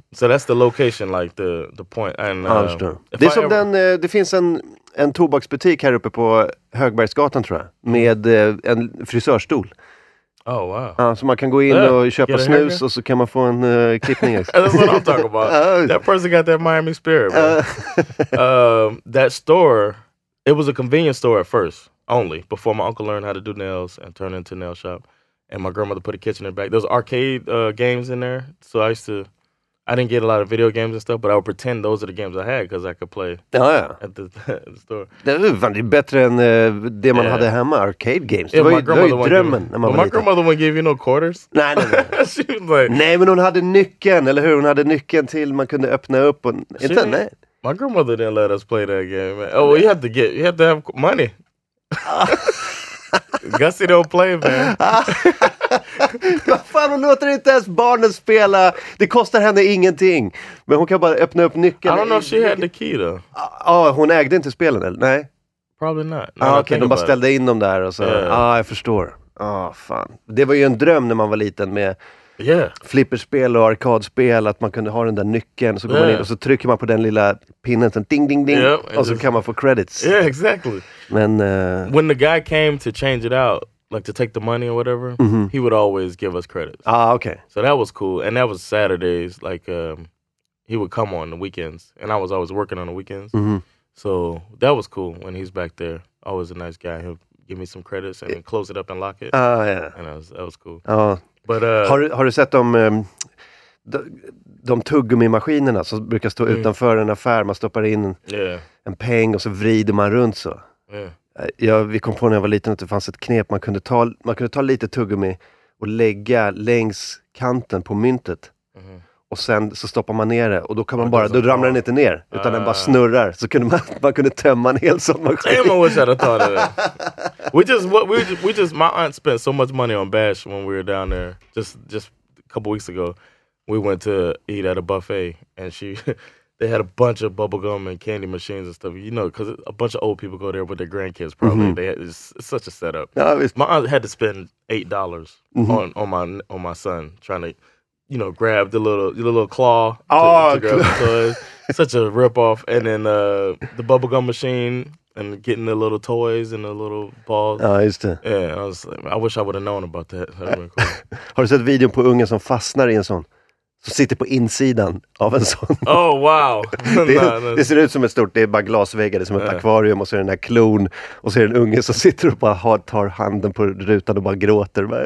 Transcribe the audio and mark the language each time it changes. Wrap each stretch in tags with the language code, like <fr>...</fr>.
<en>So that's the location, like the point. And,</en> <sv>det är som ever... det finns en tobaksbutik här uppe på Högbergsgatan, tror jag, med en frisörstol.</sv> <en>Oh wow.</en> <sv>Så man kan gå in och köpa snus och så kan man få en klippning.</sv> <en>That's what I'm talking about. That person got that Miami spirit, bro. That store, it was a convenience store at first, only, before my uncle learned how to do nails and turn into a nail shop. And my grandmother put a kitchen in the back. There was arcade games in there. So I used to, I didn't get a lot of video games and stuff, but I would pretend those are the games I had because I could play at the store.</en> <sv>Det var ju bättre än det man hade hemma, arcade games. Det var ju drömmen.</sv> <en>But my grandmother wouldn't give you no quarters.</en> <sv>Nej, nej, nej. Nej, men hon hade nyckeln, eller hur? Hon hade nyckeln till man kunde öppna upp. Inte, nej.</sv> <en>My grandmother didn't let us play that game, man. Oh, well, you have to get, you have to have money. Gussie don't play, man.</en> <sv>Vad fan, hon låter inte ens barnen spela. Det kostar henne ingenting. Men hon kan bara öppna upp nyckeln.</sv> <en>I don't know if she had the key, though.</en> <sv>Ja, hon ägde inte spelen, eller? Nej.</sv> <en>Probably not.</en> <sv>Okej, de bara ställde in dem där och så. Jag förstår. Fan. Det var ju en dröm när man var liten med flipperspel och arkadspel, att man kunde ha den där nyckeln. Så går man in och så trycker man på den lilla pinnen, så ding, ding, ding. Och så kan man få credits.</sv> <en>Yeah, exactly.</en> <sv>Men,</sv> <en>when the guy came to change it out, like to take the money or whatever, mm-hmm. he would always give us credits. Okay. So that was cool. And that was Saturdays. Like, he would come on the weekends. And I was always working on the weekends. Mm-hmm. So that was cool when he's back there. Always a nice guy. He'll give me some credits and then close it up and lock it. And that was cool.</en> <sv>Har du sett de tuggummi-maskinerna som brukar stå utanför en affär? Man stoppar in en peng och så vrider man runt så. Vi kom på när jag var liten att det fanns ett knep. Man kunde ta lite tuggummi och lägga längs kanten på myntet. Mm. Och sen så stoppar man ner det. Och då ramlar den inte ner, utan den bara snurrar. Så kunde man kunde tömma en hel sån maskin.</sv> <en>Damn, I wish I'd have thought of that. We just my aunt spent so much money on bash when we were down there. Just a couple weeks ago, we went to eat at a buffet and they had a bunch of bubblegum and candy machines and stuff. You know, because a bunch of old people go there with their grandkids probably. Mm-hmm. It's such a setup. My aunt had to spend $8 mm-hmm. on my son trying to, you know, grab the little claw to grab the toys. Such a ripoff. And then the bubblegum machine. And getting the little toys and the little balls.</en> <sv>Ja, just det.</sv> <en>Yeah, I wish I would have known about that. Cool.</en> <sv>Har du sett videon på ungen som fastnar i en sån? Som sitter på insidan av en sån.</sv> <en>Oh, wow.</en> <sv>det ser ut som ett stort, det är bara glasväggar, det är som ett akvarium. Och så är den där klon. Och så är en unge som sitter och bara tar handen på rutan och bara gråter.</sv>